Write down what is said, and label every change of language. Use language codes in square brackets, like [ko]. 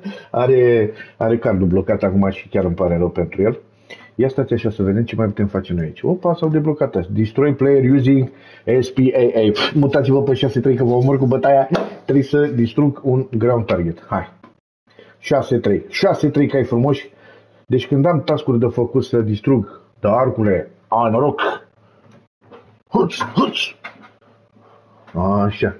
[ro] Are cardul blocat acum și chiar îmi pare rău pentru el. Ia stați așa să vedem ce mai putem face noi aici. Opa, s-au deblocat asta. [en] Destroy player using SPAA. [ro] Mutați-vă pe 6-3 că vă omor cu bătaia. Trebuie să distrug un ground target. Hai. 6-3. 6-3 cai frumoși. Deci când am task-uri de făcut să distrug de arcule, a, noroc. Huts, huts. Așa.